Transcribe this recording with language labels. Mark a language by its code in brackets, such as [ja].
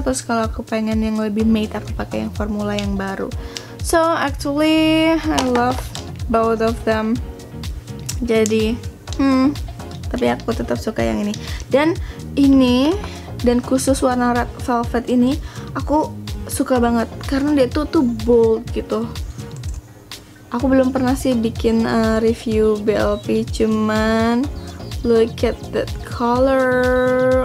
[id] Terus kalau aku pengen yang lebih matte, aku pakai yang formula yang baru. [en] So actually I love both of them. [id] Jadi tapi aku tetap suka yang ini. Dan ini, dan khusus warna Red Velvet ini, aku suka banget karena dia tuh bold gitu. Aku belum pernah sih bikin review BLP, cuman [en] look at that color.